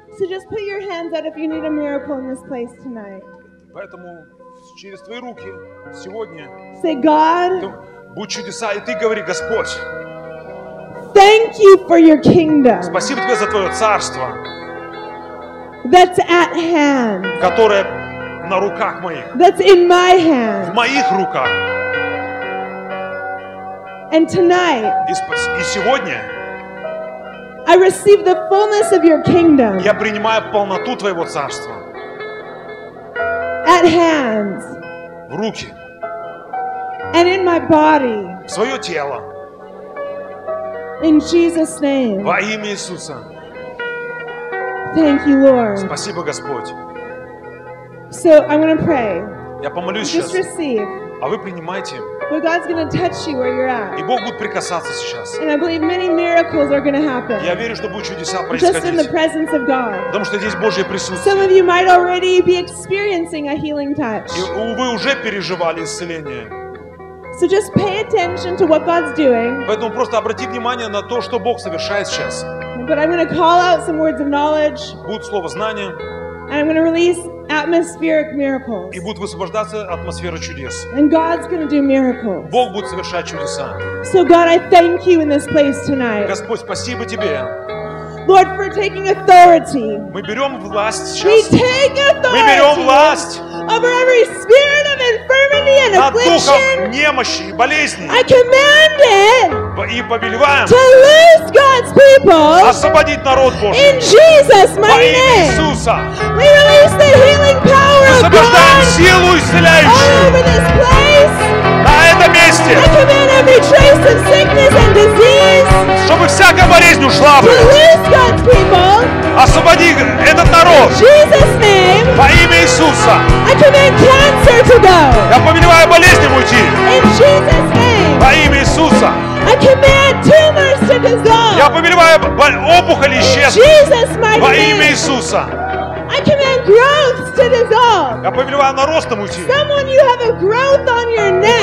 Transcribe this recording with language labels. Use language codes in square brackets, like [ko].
[en] So just put your hands out if you need a miracle in this place tonight. [ru] Поэтому через твои руки сегодня. [en] Say God. [ru] Будь чудеса, и ты говори, Господь. [en] Thank you for your kingdom. [ru] Спасибо тебе за твое царство. [en] That's at hand. [ru] Которое на руках моих. [en] That's in my hand. [ru] В моих руках. [en] And tonight. [ru] И сегодня. [en] I receive the fullness of your kingdom. [ru] Я принимаю полноту твоего царства. [en] At hands. [ru] В руки. [en] And in my body. [ru] В свое тело. [en] In Jesus' name. [ru] Во имя Иисуса. [en] Thank you, Lord. [ru] Спасибо, Господь. [en] So I want to pray. [ru] Я помолюсь [en] just [ru] сейчас. [en] Receive. [ru] А вы принимайте. [en] But God's going to touch you where you're at. [ru] И Бог будет прикасаться сейчас. [en] And I believe many miracles are going to happen. [ru] Я верю, что будут чудеса происходить. [en] Just in the presence of God. [ru] Потому что здесь Божье присутствие. [en] Some of you might already be experiencing a healing touch. [ru] И вы уже переживали исцеление. [en] So just pay attention to what God's doing. [ru] Поэтому просто обрати внимание на то, что Бог совершает сейчас. [en] But I'm going to call out some words of knowledge. [ru] Будет слово знания. [en] And I'm going to release atmospheric miracles. [ru] И будет высвобождаться атмосфера чудес. [en] And God's going to do miracles. [ru] Бог будет совершать чудеса. [en] So God, I thank you in this place tonight. [ru] Господь, спасибо тебе. [en] Lord, for taking authority. [ru] Мы берем власть сейчас. [en] We take authority. [ru] Мы берем власть. [en] Over every spirit of infirmity and affliction, [ru] немощи и болезни, [en] I command it. [ru] И повелеваем. [en] To loose God's people. [ru] Освободить народ Божий. [en] In Jesus' mighty name. [ru] Во имя Иисуса. [en] We release the healing power of God. [ru] Силу исцеляющую. [en] All over this place. [ru] На этом месте. [en] I command every trace of sickness and disease. [ru] Чтобы всякая болезнь ушла. [en] To loose God's people. [ru] Освободи этот народ. [en] In Jesus' name. [ru] Во имя Иисуса. [en] I command cancer to go. [ru] Я повелеваю болезни уйти. [en] In Jesus' name. [ru] Во имя Иисуса. [en] I command tumors to dissolve. [ru] Я повелеваю опухоли исчезнуть. [en] Jesus, my name. [ru] Во имя Иисуса. [en] I command growth to dissolve. [ru] Я повелеваю на ростом уйти. [en] Someone, you have a growth on your neck.